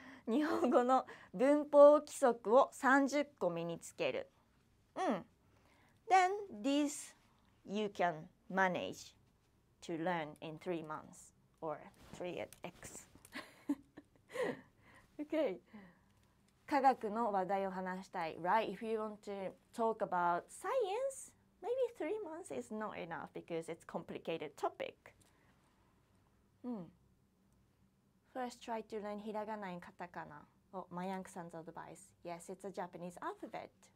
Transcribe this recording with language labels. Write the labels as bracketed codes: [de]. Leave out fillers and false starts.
[ja] 日本語の文法規則を30個身につける。 [en] Then, these you can manage to learn in 3 months. Or 3x. Okay. [ja] 科学の話題を話したい。 [en] Right? If you want to talk about science, maybe 3 months is not enough because it's a complicated topic. First, try to learn hiragana and katakana. Oh, Mayank-san's advice. Yes, it's a Japanese alphabet.